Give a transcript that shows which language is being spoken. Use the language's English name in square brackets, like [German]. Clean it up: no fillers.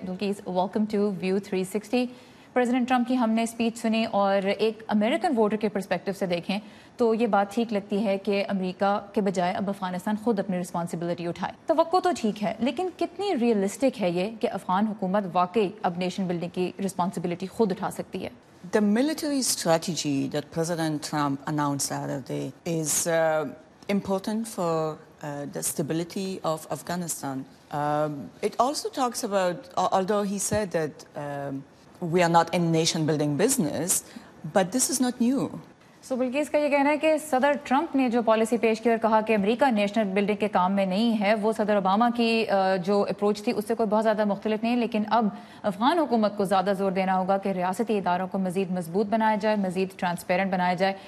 [Urdu] Bilqis, welcome to view 360. President Trump کی ہم نے اسپیچ سنی اور ایک امریکن ووٹر کے پرسپیکٹو سے دیکھیں تو یہ بات ٹھیک لگتی ہے کہ امریکہ کے بجائے اب افغانستان خود اپنی رسپانسبلٹی اٹھائے. توقع تو ٹھیک ہے لیکن کتنی ریئلسٹک ہے یہ کہ افغان حکومت واقعی اب نیشن بلڈنگ کی رسپانسبلٹی خود اٹھا سکتی ہے؟ [English] The military strategy that President Trump announced Saturday is important for the stability of Afghanistan. It also talks about, although he said that we are not in nation building business, but this is not new. [Urdu] So Bilqis کا یہ کہنا ہے کہ صدر Trump نے جو policy پیش کی اور کہا کہ امریکہ نیشنل بلڈنگ کے کام میں نہیں ہے, وہ صدر اوباما کی جو اپروچ تھی اس سے کوئی بہت زیادہ مختلف نہیں, لیکن اب افغان حکومت کو زیادہ زور دینا ہوگا کہ ریاستی اداروں کو مزید مضبوط بنایا جائے, مزید ٹرانسپیرنٹ بنایا جائے.